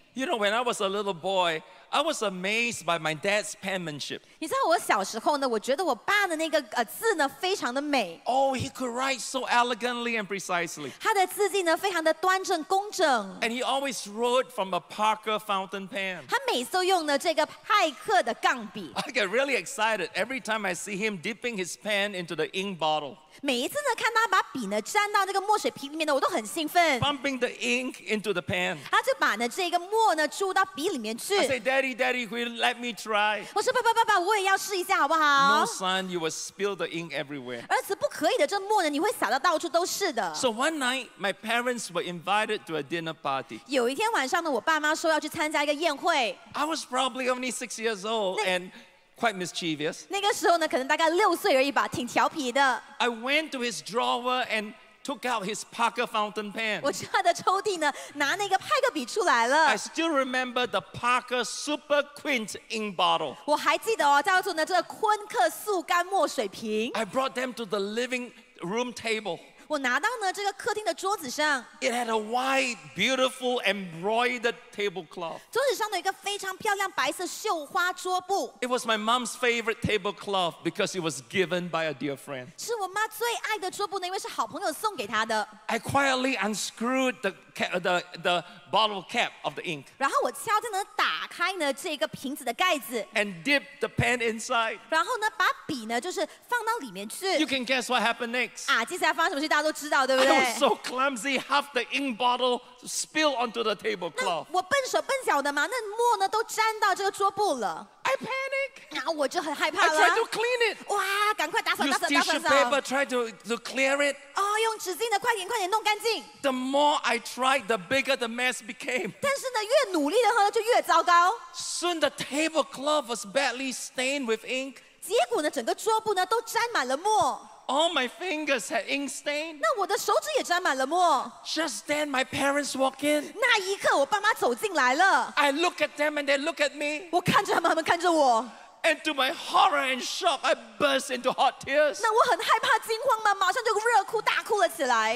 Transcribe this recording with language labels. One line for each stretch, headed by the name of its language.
English: You know, when I was a little boy, I was amazed by my dad's penmanship.
Chinese: 你知道我小时候呢，我觉得我爸的那个字呢，非常的美。
English: Oh, he could write so elegantly and precisely.
Chinese: 他的字迹呢，非常的端正工整。
English: And he always wrote from a Parker fountain pen.
Chinese: 他每次都用呢这个派克的钢笔。
English: I get really excited every time I see him dipping his pen into the ink bottle.
Chinese: 每一次呢，看他把笔呢沾到那个墨水瓶里面呢，我都很兴奋。
English: Bumping the ink into the pen.
Chinese: 他就把呢这个墨呢注到笔里面去。
English: I say, Daddy, Daddy, will you let me try?
Chinese: 我说爸爸，我也要试一下，好不好？
English: No, son, you will spill the ink everywhere.
Chinese: 儿子，不可以的，这墨呢你会洒得到处都是的。So
English: one night, my parents were invited to a dinner party.
Chinese: 有一天晚上呢，我爸妈说要去参加一个宴会。
English: I was probably only 6 years old and quite mischievous.
Chinese: 那个时候呢，可能大概6岁而已吧，挺调皮的。
English: I went to his drawer and took out his Parker fountain pen.
Chinese: 我去他的抽屉呢，拿那个派克笔出来了。
English: I still remember the Parker Super Quint ink bottle.
Chinese: 我还记得哦，叫做呢这个昆克素干墨水瓶。
English: I brought them to the living room table.
Chinese: 我拿到呢这个客厅的桌子上
English: It had a white, beautiful, embroidered tablecloth.
Chinese: 桌子上的一个非常漂亮白色绣花桌布
English: It was my mom's favorite tablecloth because it was given by a dear friend.
Chinese: 是我妈最爱的桌布呢，因为是好朋友送给她的
English: I quietly unscrewed the bottle cap of the ink.
Chinese: 然后我悄悄地打开呢这个瓶子的盖子
English: And dipped the pen inside.
Chinese: 然后呢把笔呢就是放到里面去
English: You can guess what happened next.
Chinese: 啊，接下来发生什么事大家都知道，对不对？
English: I was so clumsy, half the ink bottle spilled onto the tablecloth.
Chinese: 那我笨手笨脚的嘛，那墨呢都沾到这个桌布了。
English: I panicked.
Chinese: 然后我就很害怕了。
English: I tried to clean it.
Chinese: 哇，赶快打扫！
English: Use tissue paper, try to clear it.
Chinese: 哦，用纸巾的，快点弄干净。
English: The more I tried, the bigger the mess became.
Chinese: 但是呢，越努力的话就越糟糕。
English: Soon the tablecloth was badly stained with ink.
Chinese: 结果呢，整个桌布呢都沾满了墨。
English: All my fingers had ink stain.
Chinese: 那我的手指也沾满了墨。
English: Just then, my parents walk in.
Chinese: 那一刻，我爸妈走进来了。
English: I look at them, and they look at me.
Chinese: 我看着他们，他们看着我。
English: And to my horror and shock, I burst into hot tears.
Chinese: 那我很害怕，惊慌嘛，马上就热哭大哭了起来。